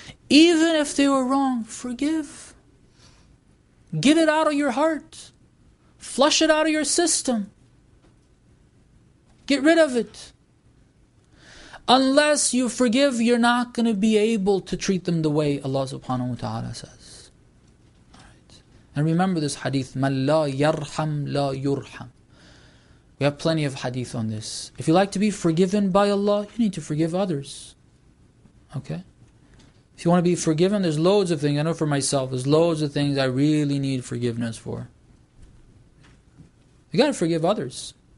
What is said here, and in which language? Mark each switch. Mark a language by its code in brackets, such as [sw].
[en] Even if they were wrong, forgive. Get it out of your heart. Flush it out of your system. Get rid of it. Unless you forgive, you're not going to be able to treat them the way Allah subhanahu wa ta'ala says. Right. And remember this hadith, [ar] مَنْ لَا يَرْحَمْ لَا يُرْحَمْ. [en] We have plenty of hadith on this. If you like to be forgiven by Allah, you need to forgive others. Okay? If you want to be forgiven, there's loads of things. I know for myself, there's loads of things I really need forgiveness for. You got to forgive others.